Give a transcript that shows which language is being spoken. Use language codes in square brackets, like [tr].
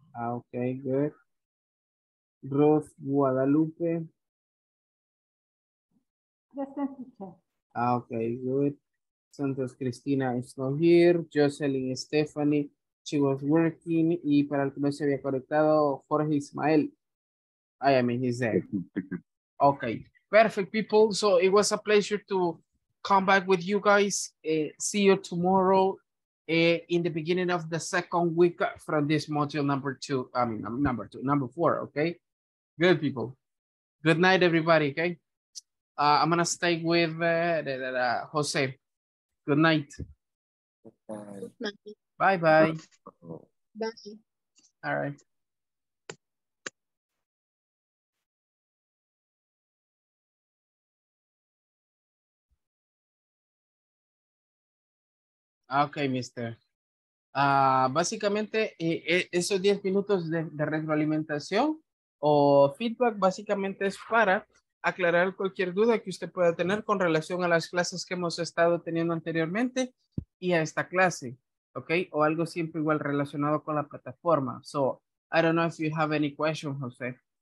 [en] Okay, good. Ruth Guadalupe. Present, teacher. Okay, good. Santos Cristina is not here. Jocelyn Stephanie, she was working. [es] Y para el que no se había conectado, Jorge Ismael. [en] I mean, he's there. Okay, perfect, people. So it was a pleasure to come back with you guys. See you tomorrow in the beginning of the second week from this module number two. I mean, number two, number four, okay? Good, people. Good night, everybody, okay? I'm going to stay with Jose. Good night. Bye-bye. Bye-bye. Bye. All right. Okay, mister. [es] Básicamente, esos 10 minutos de retroalimentación o feedback básicamente es para aclarar cualquier duda que usted pueda tener con relación a las clases que hemos estado teniendo anteriormente y a esta clase, okay? O algo siempre igual relacionado con la plataforma. [en] So, I don't know if you have any questions, Jose.